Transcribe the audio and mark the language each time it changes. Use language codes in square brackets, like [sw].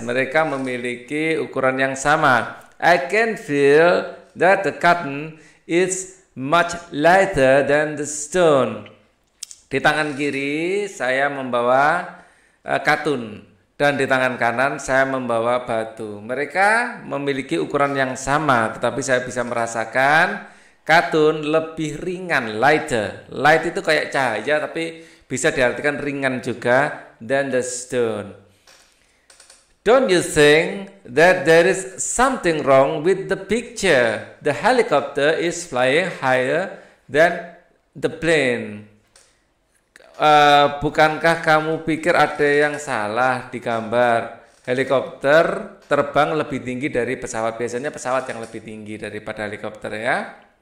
[id] Mereka memiliki ukuran yang sama. [en] I can feel that the cotton is much lighter than the stone. [id] Di tangan kiri saya membawa katun dan di tangan kanan saya membawa batu. Mereka memiliki ukuran yang sama, tetapi saya bisa merasakan katun lebih ringan, lighter. Light itu kayak cahaya tapi bisa diartikan ringan juga [en] than the stone. Don't you think that there is something wrong with the picture? The helicopter is flying higher than the plane. [id] Bukankah kamu pikir ada yang salah di gambar? Helikopter terbang lebih tinggi dari pesawat. Biasanya pesawat yang lebih tinggi daripada helikopter ya.